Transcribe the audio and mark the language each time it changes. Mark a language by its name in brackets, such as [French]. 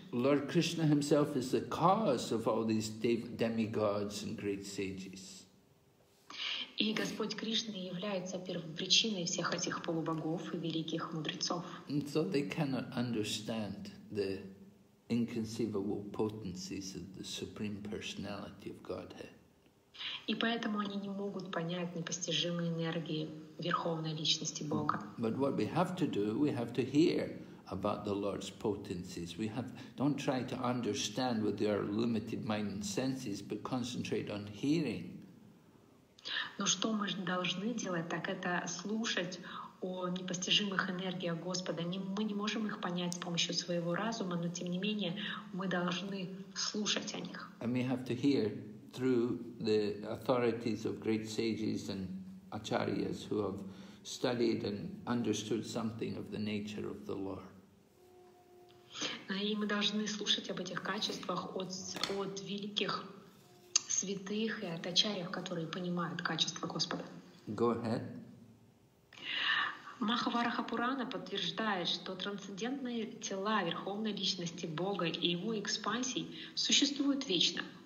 [English] Lord Krishna himself is the cause of all these demigods and great sages. [Russian] И Господь Кришна является первопричиной всех этих полубогов и великих мудрецов. [English] And so they cannot understand the inconceivable potencies of the Supreme Personality of Godhead. [Russian] И поэтому они не могут понять непостижимые энергии Верховной Личности Бога. [English] But what we have to do, we have to hear about the Lord's potencies. Don't try to understand with your limited mind and senses, but concentrate on hearing. [Russian] Но что мы должны делать, так это слушать о непостижимых энергиях Господа. Мы не можем их понять с помощью своего разума, но тем не менее мы должны слушать о них. [English] And we have to hear through the authorities of great sages and acharyas who have studied and understood something of the nature of the Lord. [Russian] И мы должны слушать об этих качествах от великих святых и от ачарьев, которые понимают качество Господа. [English] Go ahead. [Russian] Махавараха Пурана подтверждает, что трансцендентные тела Верховной Личности Бога и его экспансий существуют вечно.